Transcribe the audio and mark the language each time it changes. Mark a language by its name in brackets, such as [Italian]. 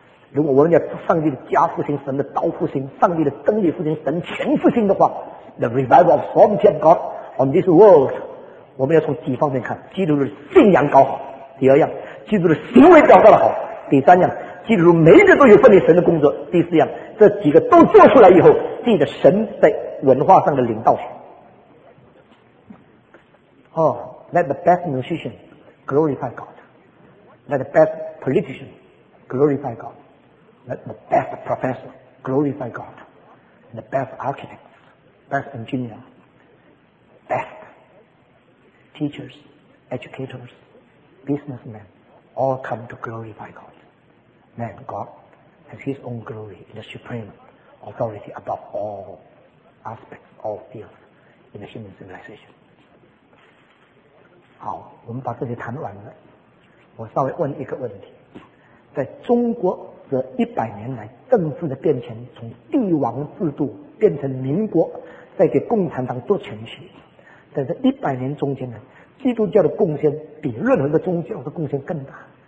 [Chinese] 如果我们要上帝的家复兴、神的道复兴、上帝的真理复兴、神权复兴的话， [English] The revival of sovereignty of God on this world， [Chinese] 我们要从几方面看，基督的信仰搞好，第二样基督的行为表达的好，第三样基督每一个都有分离神的工作，第四样这几个都做出来以后，记得神在文化上的领导权。 [English] Let the best musician glorify God， Let the best politician glorify God， Let the best professor glorify God， The best architect， Best engineer， BestTeachers, educators, businessmen, all come to glorify God. man, God, has His own glory in the supreme authority above all aspects, all fields in the human civilization. [Chinese] 好，我们把这里谈完了。我稍微问一个问题，在中国这100年来政治的变迁，从帝王制度变成民国，再给共产党做程序，在这100年中间呢，基督教的贡献比任何一个宗教的贡献更大。